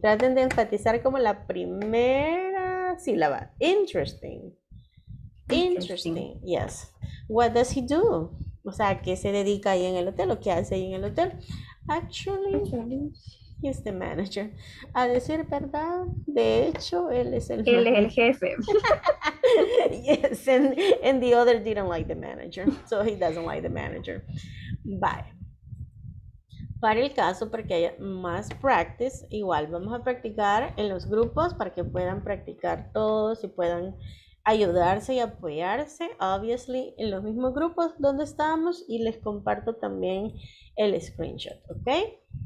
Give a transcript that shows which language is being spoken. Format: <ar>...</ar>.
<es>Traten de enfatizar como la primera sílaba.</es> <en>Interesting. Interesting. Yes. What does he do?</en> <es>O sea, ¿qué se dedica ahí en el hotel? ¿O qué hace ahí en el hotel?</es> <en>Actually, he's the manager.</en> <es>A decir verdad, de hecho, él es el jefe. Él es el jefe.</es> <en>Yes, and the other didn't like the manager, so he doesn't like the manager. Bye.</en> <es>Para el caso, para que haya más practice, igual vamos a practicar en los grupos para que puedan practicar todos y puedan ayudarse y apoyarse, obviously, en los mismos grupos donde estamos, y les comparto también el screenshot, ¿ok?</es>